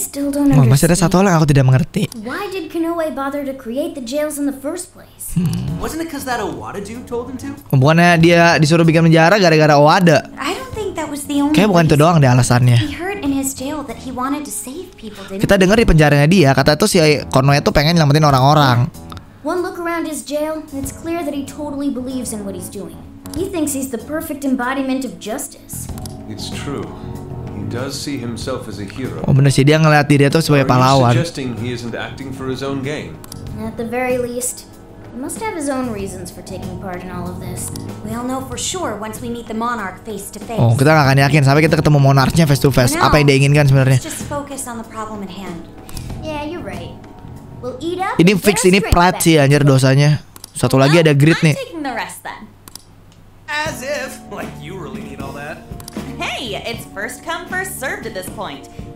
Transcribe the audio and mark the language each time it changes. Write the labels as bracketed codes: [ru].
[id] Oh, masih ada satu hal yang aku tidak mengerti. [en] Why did Konoe bother to create the jails in the first place? Wasn't it because that Owada dude told him to? [id] Bukannya dia disuruh bikin penjara gara-gara Owada? [en] I don't think that was the only. [id] Kayak bukan itu doang deh alasannya. [en] He heard in his jail that he wanted to save people, didn't he? [id] Kita dengar di penjaranya dia, kata itu si Konoe itu pengen nyelamatin orang-orang. [en] One look around his jail, it's clear that he totally believes in what he's doing. He thinks he's the perfect embodiment of justice. It's true. Does see himself as a hero. [id] Oh benar sih, dia ngelihat diri itu sebagai pahlawan. [en] He isn't acting for his own gain. At the very least, he must have his own reasons for taking part in all of this. We'll know for sure once we meet the monarch face to face. [id] Oh, kita enggak akan yakin sampai kita ketemu monarchnya [en] face to face. [id] Apa yang dia inginkan sebenarnya? [en] Just focus on the problem at hand. Yeah, you're right. We'll eat up. [id] Ini fix, ini plat sih anjir dosanya. Satu lagi ada grit nih. [en] I'm taking the rest then. As if like you really need all that. Hey, it's first come, first served at this point.